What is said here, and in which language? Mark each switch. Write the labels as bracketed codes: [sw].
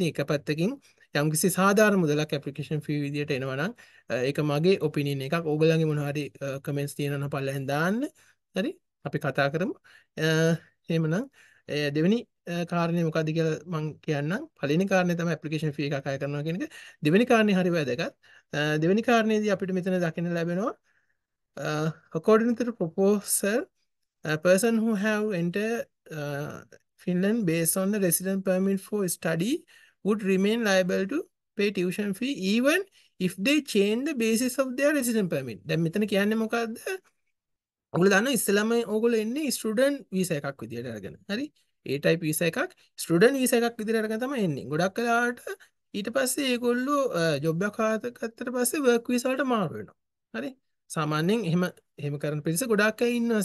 [si] ඉතින් එක පැත්තකින් යම්කිසි සාධාරණ මුදලක් ඇප්ලිකේෂන් ෆී විදියට එනවා නම් ඒක මගේ ඔපිනියන් එකක්. ඕගොල්ලන්ගේ මොනවා හරි කමෙන්ට්ස් තියෙනවා නම් පල්ලෙහෙන් දාන්න. හරි, අපි කතා කරමු. එහෙමනම් දෙවෙනි කාරණේ මොකද්ද කියලා මං කියන්නම්. පළවෙනි කාරණේ තමයි ඇප්ලිකේෂන් ෆී එකක් අය කරනවා කියන එක. දෙවෙනි කාරණේ හරි වැදගත්. දෙවෙනි කාරණේදී අපිට මෙතන දකින්න ලැබෙනවා [en] according to the proposal, a person who have entered Finland based on the resident permit for study would remain liable to pay tuition fee even if they change the basis of their resident permit. [si] දැන් මෙතන කියන්නේ මොකද්ද? ඔගොල්ලෝ දන්නවා ඉස්සෙල්ලාම ඔගොල්ලෝ එන්නේ student visa එකක් විදියට අරගෙන. හරි, ඒ ටයිප් වීසා එකක්, ස්ටුඩන්ට් වීසා එකක් විදියට අරගෙන තමයි එන්නේ ගොඩක් කාලාට. ඊට පස්සේ ඒගොල්ලෝ ජොබ් එකක් හදාගත්තට පස්සේ වර්ක් වීසා වලට මාරු වෙනවා. හරි, සාමාන්‍යයෙන් එහෙම එහෙම කරන පිරිස ගොඩක් අය ඉන්නවා.